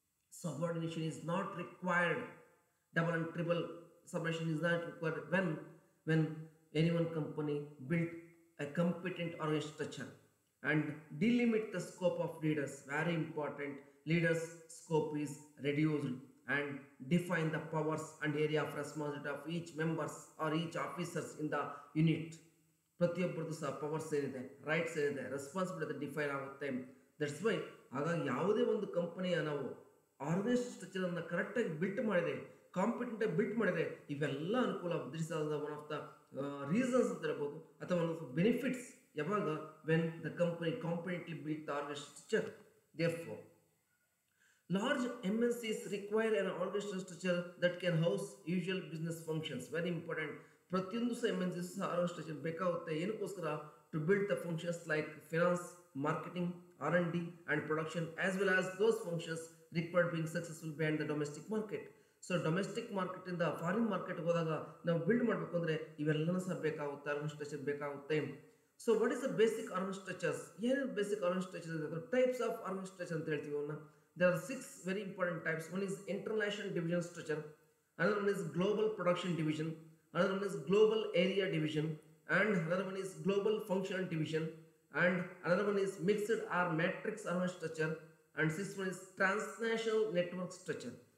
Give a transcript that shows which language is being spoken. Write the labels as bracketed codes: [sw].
[en] Subordination is not required. Double and triple subordination is not required when any one company built a competent organization structure. And delimit the scope of leaders. Very important. Leaders' scope is reduced. And define the powers and area of responsibility of each members or each officers in the unit. [kn] ಪ್ರತಿಯೊಬ್ಬರದ್ದು ಸಹ powers ಏನಿದೆ, rights ಏನಿದೆ, responsibility define ಆಗುತ್ತೆ. That's why ಹಾಗಾಗಿ ಯಾವುದೇ ಒಂದು ಕಂಪನಿಯ ನಾವು organised structure ಅನ್ನು ಕರೆಕ್ಟ್ ಆಗಿ ಬಿಲ್ಟ್ ಮಾಡಿದ್ರೆ, ಕಾಂಪಿಟೆಂಟ್ ಆಗಿ ಬಿಲ್ಟ್ ಮಾಡಿದ್ರೆ, ಇವೆಲ್ಲ ಅನುಕೂಲ. [en] this are the one of the reasons [kn] ಅಂತ ಇರಬಹುದು, ಅಥವಾ [en] One of the benefits. ಯಾವಾಗ when the company competently built the organised structure. Therefore large MNCs require an organised structure that can house usual business functions. Very important. [kn] ಪ್ರತಿಯೊಂದು ಸಹ ಎಂಎನ್ಸಿಸ್ organised structure ಬೇಕಾಗುತ್ತೆ. ಏನಕ್ಕೋಸ್ಕರ? [en] To build the functions like finance, marketing, R and D and production, as well as those functions required being successful beyond the domestic market. So domestic market in the foreign market hodaga now build [kn] madbekondre ivellana sa bekagutte [en] arm structure bekagutte. So what is the basic arm structures? Yen basic arm structures the types of arm structure [kn] ant heltivu na. [en] There are six very important types. One is international division structure, another one is global production division, another one is global area division, and another one is global functional division, and another one is mixed or matrix arm structure, and sixth one is transnational network structure.